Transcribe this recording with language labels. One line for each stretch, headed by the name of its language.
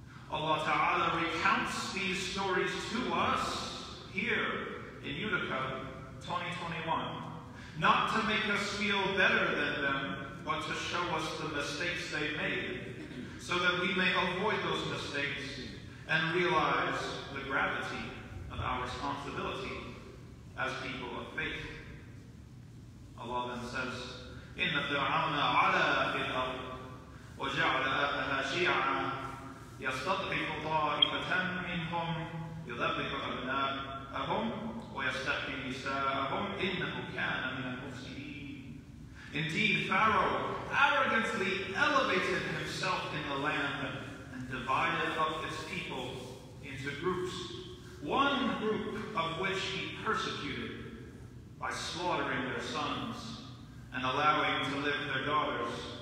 English: Allah Ta'ala recounts these stories to us here in Utica 2021, not to make us feel better than them, but to show us the mistakes they made, so that we may avoid those mistakes and realize the gravity of our responsibility as people of faith. Allah then says,
Arabic: إِنَّ فِرْعَوْنَ عَلَىٰ فِي الْأَرْضِ وَجَعْلَ أَهْلَهَا شِيَعًا يَسْتَضْعِفُ طَائِفَةً مِّنْهُمْ يُذَبِّحُ أَبْنَاءَهُمْ وَيَسْتَحْيِي نِسَاءَهُمْ إِنَّهُ كَانَ مِنَ الْمُفْسِدِينَ.
English: Indeed, Pharaoh arrogantly elevated himself in the land and divided up its people into groups, one group of which he persecuted by slaughtering their sons and allowing to live their daughters.